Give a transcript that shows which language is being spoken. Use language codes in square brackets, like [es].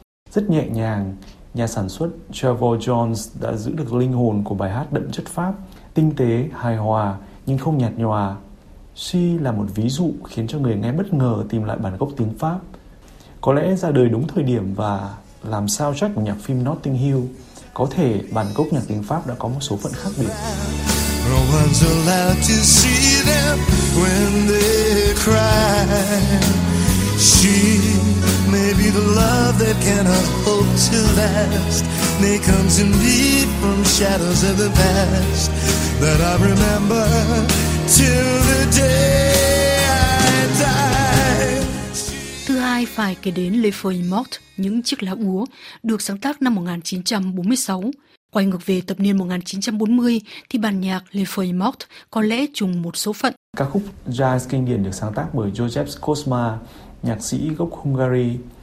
[vi] Rất nhẹ nhàng, nhà sản xuất Trevor Jones đã giữ được linh hồn của bài hát đậm chất Pháp, tinh tế, hài hòa nhưng không nhạt nhòa. She là một ví dụ khiến cho người nghe bất ngờ tìm lại bản gốc tiếng Pháp. Có lẽ ra đời đúng thời điểm và làm sao soundtrack của nhạc phim Notting Hill. Có thể bản gốc nhạc tiếng Pháp đã có một số phận khác biệt. [en] No one's allowed to see them when they cry. She may be the love that cannot hope to last. May comes indeed from shadows of the past that I remember till the day I die. [vi] Thứ hai phải kể đến Les Feuilles Mortes, những chiếc lá úa, được sáng tác năm 1946. Quay ngược về thập niên 1940 thì bản nhạc Les Feuilles Mortes có lẽ trùng một số phận. Ca khúc Jazz kinh điển được sáng tác bởi Joseph Kosma, nhạc sĩ gốc Hungary.